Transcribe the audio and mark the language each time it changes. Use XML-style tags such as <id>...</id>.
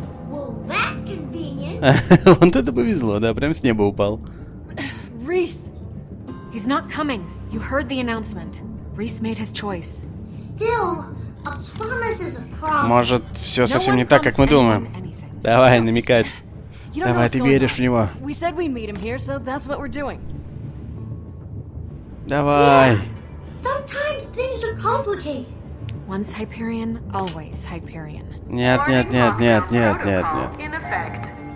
<ru>Вот это повезло, да, прям с неба упал.</ru> <en>Reese, he's not coming. You heard the announcement. Reese made his choice. Still, a promise is a promise.</en> <ru>Может, все совсем не так, как мы думаем. Давай, намекать. Давай, ты веришь в него.</ru> <en>We said we'd meet him here, so that's what we're doing.</en> <ru>Давай.</ru> <en>Sometimes things are complicated. Once Hyperion, always Hyperion.</en> <ru>Нет, нет, нет, нет, нет, нет, нет.</ru>